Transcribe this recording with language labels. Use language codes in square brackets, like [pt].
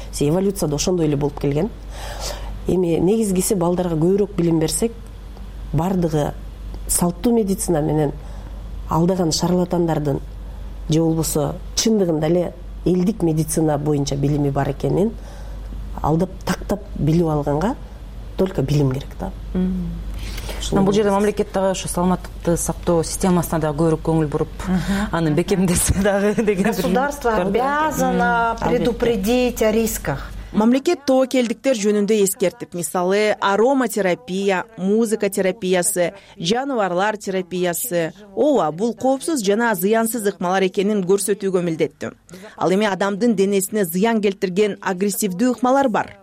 [ky] Себеби эволюция да ошондой эле болуп келген. Эми негизгиси балдарга көбүрөөк билим берсек, бардыгы салттуу медицина менен алдаган шарлатандардын же болбосо чындыгында эле элдик медицина боюнча билими бар экенин алдап тактап билип алганга [ru] только [ky] билим керек да. Бул жерде мамлекет дагы ошо саламаттыкты сактоо системасына дагы көбүрөөк көңүл буруп, аны бекемдесе дагы деген бир. [ru] Государство обязано предупредить о рисках. [ky] Мамлекет тоокелдиктер жөнүндө эскертип, мисалы ароматерапия, музыка терапиясы, жаныбарлар терапиясы, ооба, бул коопсуз жана зыянсыз ыкмалар экенин көрсөтүүгө милдеттүү. Ал эми адамдын денесине зыян келтирген агрессивдүү ыкмалар бар.